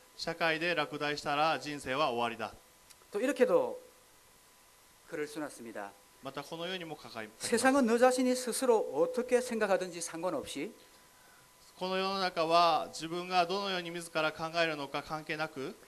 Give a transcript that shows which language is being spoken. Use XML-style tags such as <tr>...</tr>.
<ja>社会で落第したら人生は終わりだ</ja> <ko>또이렇게도글을써놨습니다</ko> <ja>またこのようにも書かれています</ja> <ko>。세상은너자신이스스로어떻게생각하든지상관없이</ko> <ja>この世の中は自分がどのように自ら考えるのか関係なく</ja>